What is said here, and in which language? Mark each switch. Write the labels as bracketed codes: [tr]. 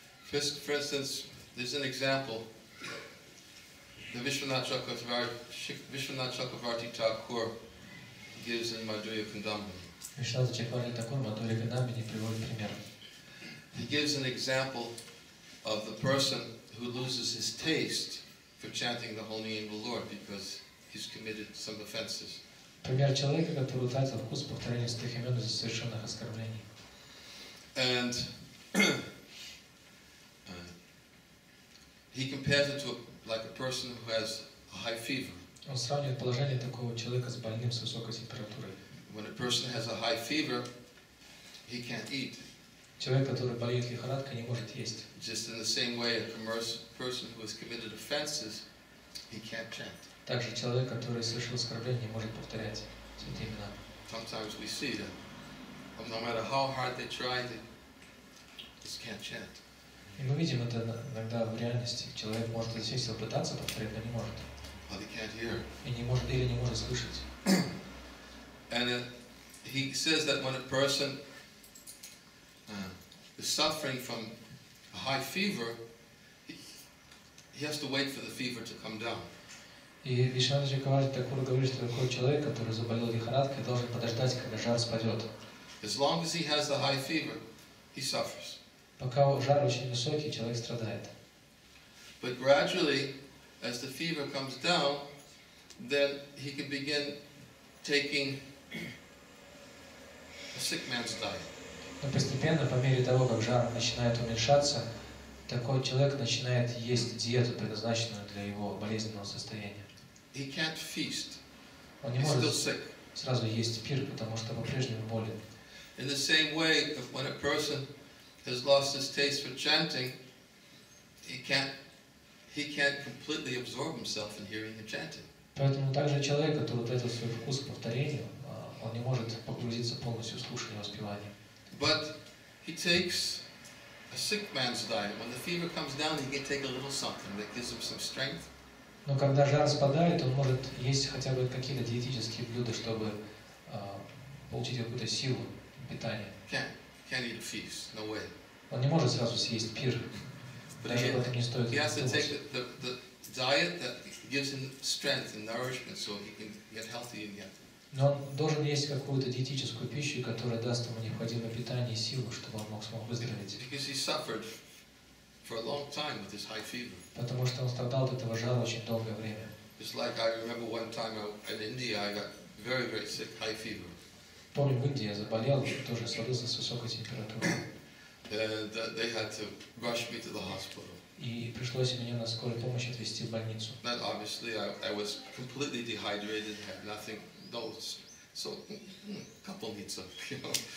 [en] For instance, there's an example The Vishwanath Chakravarti, Thakur gives in Madhurya Kadambini. [ru] Vishwanath Chakravarti Thakur Madhurya Kadambini приводит пример. [en] He gives an example of the person who loses his taste for chanting the holy name of the Lord because he's committed some offenses. [ru] Пример человека, который утратил вкус повторения святых имен из-за совершенных оскорблений. [en] And he compares it to like a person who has a high fever. [ru] Он сравнивает положение такого человека с больным с высокой температурой. [en] When a person has a high fever, he can't eat. [ru] Человек, который болеет лихорадкой, не может есть. [en] Just in the same way, a commercial person who has committed offenses, he can't chant. [ru] Также человек, который совершил оскорбление, не может повторять святые имена. [en] Sometimes we see that, no matter how hard they try, they just can't chant. [ru] И мы видим это иногда в реальности. Человек может действительно пытаться повторить, но не может. [en] But he can't hear. [ru] И не может или не может слышать. [en] And he says that when a person is suffering from a high fever, he has to wait for the fever to come down. [ru] И Вишванатха Чакраварти Такур говорит, что такой человек, который заболел лихорадкой, должен подождать, когда жар спадет. [en] As long as he has the high fever, he suffers. [ru] Пока жар очень высокий, человек страдает. [en] But gradually, as the fever comes down, then he can begin taking a sick man's diet. [ru] Но постепенно, по мере того, как жар начинает уменьшаться, такой человек начинает есть диету, предназначенную для его болезненного состояния. [en] He can't feast. [ru] Он не может сразу есть пир, потому что по-прежнему болен. [en] In the same way, when a person has lost his taste for chanting, he can't completely absorb himself in hearing the chanting. [ru] Поэтому также человек, который утратил свой вкус к повторению, он не может погрузиться полностью в слушание и воспевание. [en] But he takes a sick man's diet. When the fever comes down, he can take a little something that gives him some strength. [ru] Но когда жар спадает, он может есть хотя бы какие-то диетические блюда, чтобы получить какую-то силу питания. [en] Can't eat a feast, no way. [ru] Он не может сразу съесть пир. Даже об этом не стоит думать. [en] He has to take the diet that gives him strength and nourishment, so he can get healthy and get. [ru] Но он должен есть какую-то диетическую пищу, которая даст ему необходимое питание и силу, чтобы он смог выздороветь. [en] Because he suffered for a long time with his high fever. [ru] Потому что он страдал от этого жара очень долгое время. [en] It's like I remember one time in India I got very very sick high fever. [ru] Помню, в Индии я заболел, тоже свалился с высокой температурой. [en] And they had to rush me to the hospital. [ru] И пришлось меня на скорой помощи отвезти в больницу. [en] But obviously I was completely dehydrated, had nothing, no, so couple needs of, you know.